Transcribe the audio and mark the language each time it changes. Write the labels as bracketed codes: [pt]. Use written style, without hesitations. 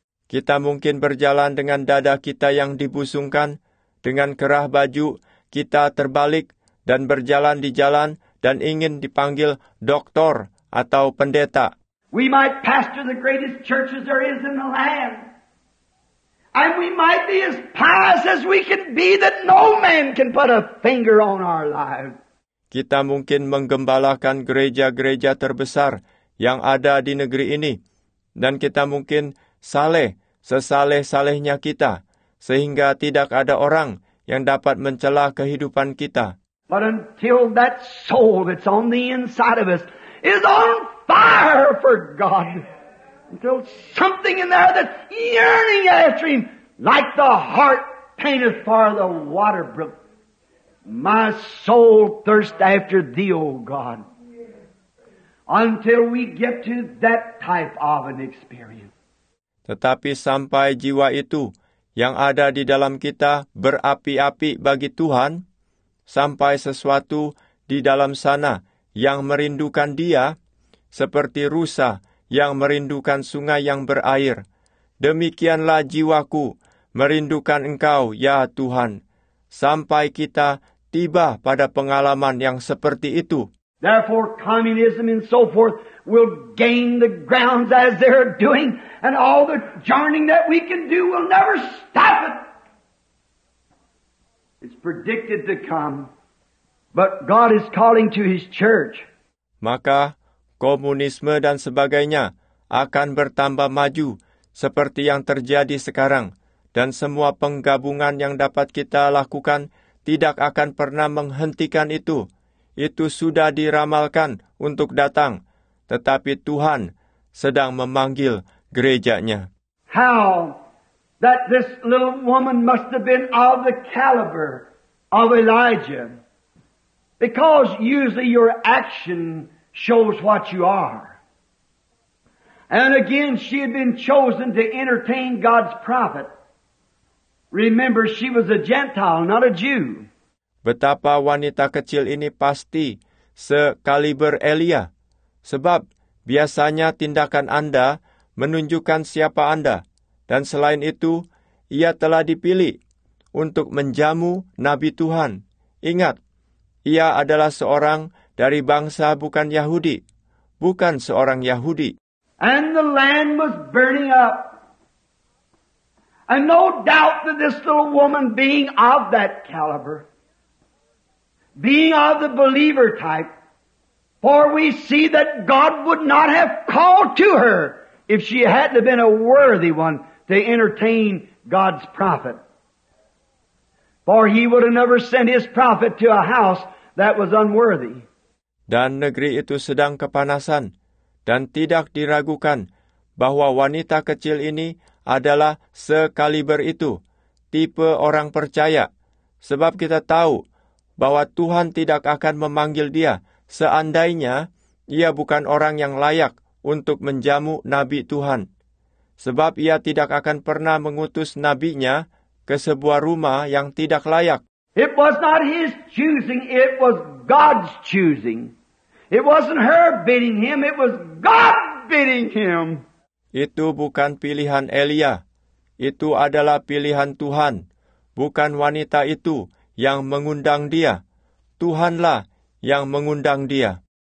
[id] Kita mungkin berjalan dengan dada kita yang dibusungkan, dengan kerah baju kita terbalik, dan berjalan di jalan dan ingin dipanggil doktor atau pendeta. [en] We might pastor the greatest churches there is in the land. And we might be as pious as we can be, that no man can put a finger on our lives. [id] Kita mungkin menggembalakan gereja-gereja terbesar yang ada di negeri ini. Dan kita mungkin saleh, sesaleh-salehnya kita, sehingga tidak ada orang yang dapat mencela kehidupan kita. [en] But until that soul that's on the inside of us is on fire for God, until something in there that's yearning after Him, like the heart panteth for the water brook, my soul thirst after Thee, O God. Until we get to that type of an experience. [id] Tetapi sampai jiwa itu yang ada di dalam kita berapi-api bagi Tuhan, sampai sesuatu di dalam sana yang merindukan Dia, seperti rusa yang merindukan sungai yang berair. Demikianlah jiwaku merindukan Engkau, ya Tuhan. Sampai kita tiba pada pengalaman yang seperti itu. [en] Therefore, communism and so forth will gain the grounds as they're doing, and all the journeying that we can do will never stop it. It's predicted to come, but God is calling to His church. [id] Maka komunisme dan sebagainya akan bertambah maju seperti yang terjadi sekarang, dan semua penggabungan yang dapat kita lakukan tidak akan pernah menghentikan itu. Itu sudah diramalkan untuk datang, tetapi Tuhan sedang memanggil gereja-Nya. [en] How that this little woman must have been of the caliber of Elijah, because usually your action shows what you are. And again, she had been chosen to entertain God's prophet. Remember, she was a Gentile, not a Jew. [id] Betapa wanita kecil ini pasti sekaliber Elia. Sebab biasanya tindakan Anda menunjukkan siapa Anda. Dan selain itu, ia telah dipilih untuk menjamu Nabi Tuhan. Ingat, ia adalah seorang dari bangsa bukan Yahudi. Bukan seorang Yahudi. [en] And the land was burning up. And no doubt that this little woman, being of that caliber, being of the believer type, for we see that God would not have called to her if she hadn't been a worthy one to entertain God's prophet. For He would have never sent His prophet to a house that was unworthy. [id] Dan negeri itu sedang kepanasan, dan tidak diragukan bahwa wanita kecil ini adalah sekaliber itu, tipe orang percaya. Sebab kita tahu bahwa Tuhan tidak akan memanggil dia seandainya ia bukan orang yang layak untuk menjamu Nabi Tuhan. Sebab ia tidak akan pernah mengutus nabinya ke sebuah rumah yang tidak layak. [en] It was not his choosing, it was God's choosing. It wasn't her bidding him, it was God bidding him. [id] Itu bukan pilihan Elia. Itu adalah pilihan Tuhan. Bukan wanita itu yang mengundang dia. Tuhanlah yang mengundang dia.